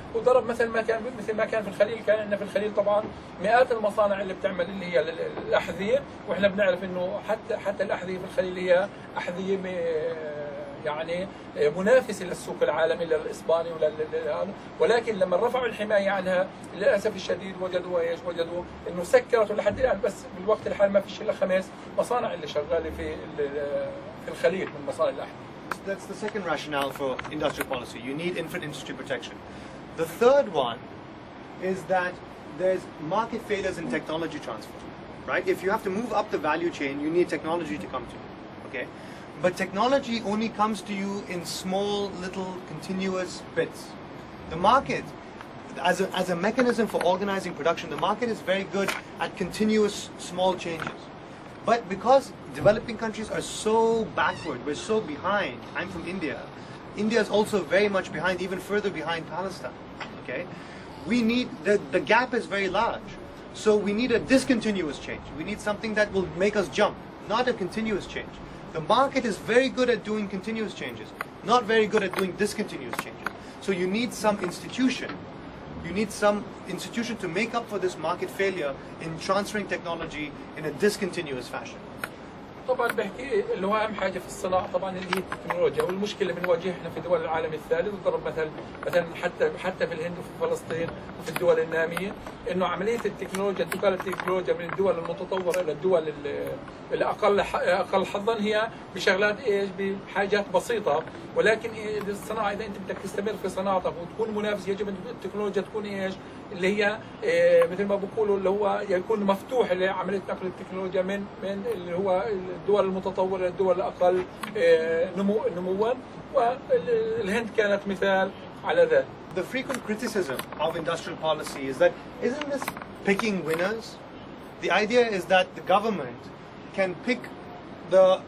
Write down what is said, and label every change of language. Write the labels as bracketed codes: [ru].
[ar] وضرب مثل ما كان في الخليل، كان عندنا في الخليل طبعا مئات المصانع اللي بتعمل اللي هي الأحذية، وإحنا بنعرف أنه حتى الأحذية في الخليل هي أحذية يعني منافسة للسوق العالمي للإسباني، ولكن لما رفعوا الحماية عنها للأسف الشديد وجدوا إنه سكرت لحد الآن. بس بالوقت الحالي ما فيش إلا خمس مصانع اللي شغالة في الخليج من مصانع الأحذية. [en] That's the second rationale for industrial policy. You need infant industry protection. The third one is that there's market failures in technology transfer, right? If you have to move up the value chain, you need technology to come to you. Okay. But technology only comes to you in small, little, continuous bits. The market, as a mechanism for organizing production, the market is very good at continuous, small changes. But because developing countries are so backward, we're so behind. I'm from India. India is also very much behind, even further behind Palestine. Okay, we need the gap is very large. So we need a discontinuous change. We need something that will make us jump, not a continuous change. The market is very good at doing continuous changes, not very good at doing discontinuous changes. So you need some institution. You need some institution to make up for this market failure in transferring technology in a discontinuous fashion. [ar] طبعا بحكي اللي هو اهم حاجه في الصناعه طبعا اللي هي التكنولوجيا، والمشكله بنواجهنا في دول العالم الثالث. وضرب مثلا حتى في الهند وفي فلسطين وفي الدول الناميه، انه عمليه التكنولوجيا، انتقال التكنولوجيا من الدول المتطوره الى الدول الاقل حظا، هي بشغلات ايش؟ بحاجات بسيطه. ولكن الصناعه اذا انت بدك تستمر في صناعتك وتكون منافس، يجب ان التكنولوجيا تكون ايش؟ اللي هي مثل ما بقولوا اللي هو يكون مفتوح لعملية نقل التكنولوجيا من اللي هو الدول المتطورة للدول الأقل نموا. والهند كانت مثال على ذلك. [en] The frequent criticism of industrial policy is that isn't this picking winners? The idea is that the government can pick the